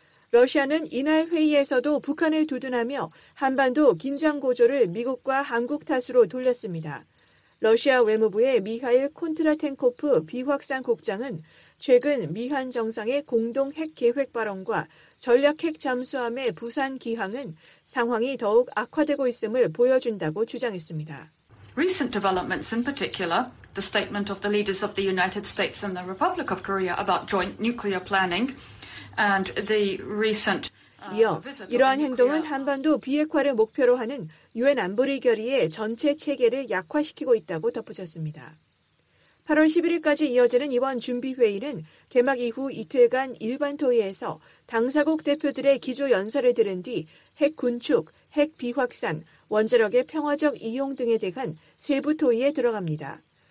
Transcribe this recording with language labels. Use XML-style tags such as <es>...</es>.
<ko>러시아는 이날 회의에서도 북한을 두둔하며 한반도 긴장 고조를 미국과 한국 탓으로 돌렸습니다. 러시아 외무부의 미하일 콘트라텐코프 비확산 국장은 최근 미한 정상의 공동 핵 계획 발언과 전략 핵 잠수함의 부산 기항은 상황이 더욱 악화되고 있음을 보여준다고 주장했습니다.</ko> <en>Recent developments in particular, the statement of the leaders of the United States and the Republic of Korea about joint nuclear planning. And the recent,</en> <ko>이어 이러한 행동은 한반도 비핵화를 목표로 하는 유엔 안보리 결의의 전체 체계를 약화시키고 있다고 덧붙였습니다. 8월 11일까지 이어지는 이번 준비회의는 개막 이후 이틀간 일반 토의에서 당사국 대표들의 기조 연설을 들은 뒤 핵 군축, 핵 비확산, 원자력의 평화적 이용 등에 대한 세부 토의에 들어갑니다.</ko>